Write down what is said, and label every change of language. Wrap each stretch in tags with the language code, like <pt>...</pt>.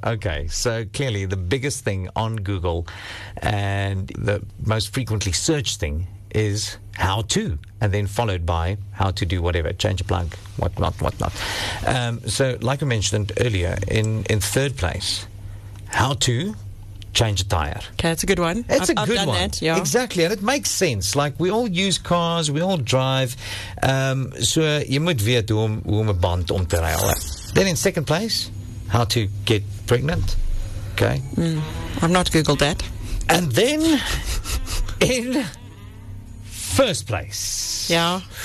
<en>Okay, so clearly the biggest thing on Google and the most frequently searched thing is how to, and then followed by how to do whatever, change a plug, whatnot. So like I mentioned earlier, in third place, how to change a tire. Okay, that's a good one. I've done that. Yeah. Exactly, and it makes sense. Like, we all use cars, we all drive. So you</en> <af>moet weet hoe om 'n band om te ruil.</af> <en>Then in second place, how to get pregnant. Okay. I've not Googled that. And then in first place. Yeah.</en>